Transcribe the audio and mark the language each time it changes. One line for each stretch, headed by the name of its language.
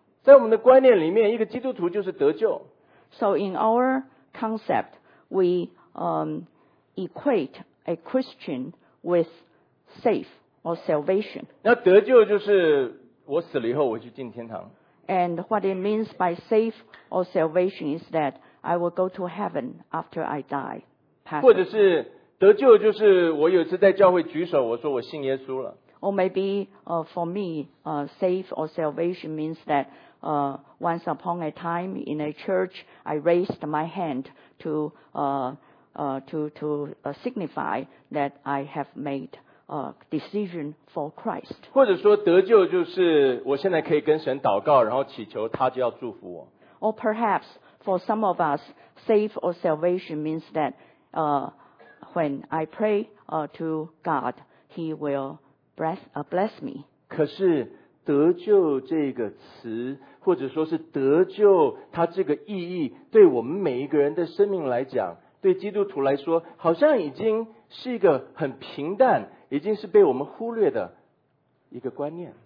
Chinese: 在我们的观念里面，一个基督徒就是得救。
English: So in our concept, we equate a Christian with save or salvation.
Chinese: 那得救就是我死了以后我去进天堂。
English: And what it means by save or salvation is that I will go to heaven after I die.
Chinese: 或者是得救就是我有一次在教会举手，我说我信耶稣了。
English: Or maybe for me, save or salvation means that once upon a time in a church, I raised my hand to signify that I have made a decision for Christ.
Chinese: 或者说得救就是我现在可以跟神祷告，然后祈求他就要祝福我。
English: Or perhaps for some of us, save or salvation means that when I pray to God, He will bless me.
Chinese: 可是得救这个词，或者说是得救它这个意义，对我们每一个人的生命来讲，对基督徒来说，好像已经是一个很平淡，已经是被我们忽略的一个观念。